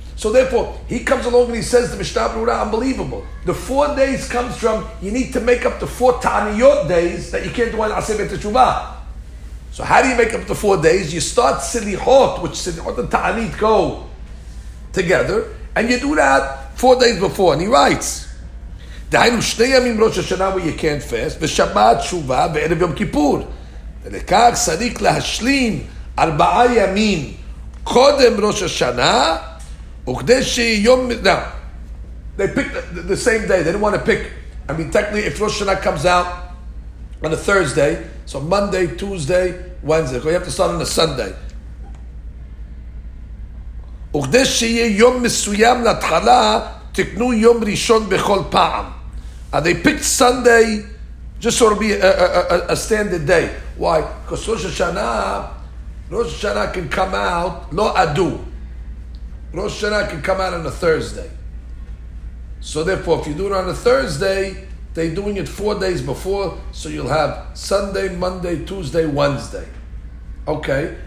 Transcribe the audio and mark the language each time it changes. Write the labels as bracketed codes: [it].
[en] So therefore, he comes along and he says the Mishnah Brura, unbelievable. The 4 days comes from, you need to make up the 4 Ta'aniyot days that you can't do on Aser Imei Teshuvah. So how do you make up the 4 days? You start Siddichot, which Siddichot and Ta'anit go together, and you do that 4 days before. And he writes, [he] דהיינו שני ימים ראש השנה [en] where you can't fast, [he] ושבת תשובה בערב יום כיפור. ולכך צריך להשלים 4 ימים קודם ראש השנה, וכדי שיום... [en] Now, they pick the same day. They didn't want to pick. I mean, technically, if ראש השנה comes out on a Thursday, so Monday, Tuesday, Wednesday, you have to start on a Sunday. [he] וכדי שיהיה יום מסוים להתחלה, תקנו יום ראשון בכל פעם. [en] They picked Sunday just sort of be a standard day. Why? Because Rosh Hashanah can come out, lo adu. Rosh Hashanah can come out on a Thursday. So therefore, if you do it on a Thursday, they're doing it 4 days before, so you'll have Sunday, Monday, Tuesday, Wednesday. Okay?